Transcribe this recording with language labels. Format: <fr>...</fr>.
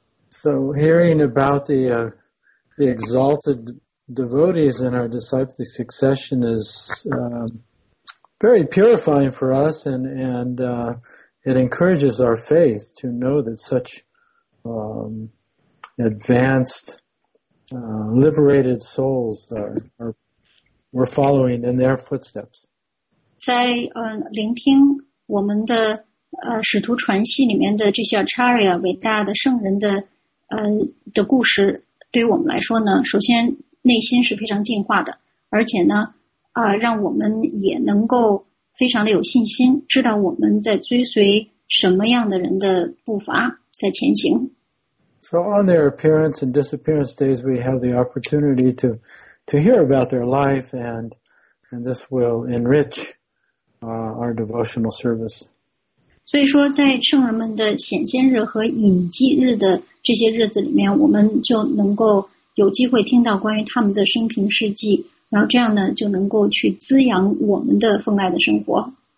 <en>So hearing about the exaltedDevotees in our disciple succession is very purifying for us, and it encourages our faith to know that such advanced, liberated souls are following in their footsteps.</en> <zh>在聆听我们的使徒传系里面的这些 Acharya 伟大的圣人的的故事，对于我们来说呢，首先内心是非常进化的，而且呢让我们也能够非常的有信心，知道我们在追随什么样的人的步伐在前行。</zh> <en>So on their appearance and disappearance days we have the opportunity to hear about their life and this will enrich our devotional service.</en> <zh>所以说在圣人们的显现日和隐迹日的这些日子里面，我们就能够有机会听到关于他们的生平事迹，然后这样呢就能够去滋养我们的奉爱的生活。</zh>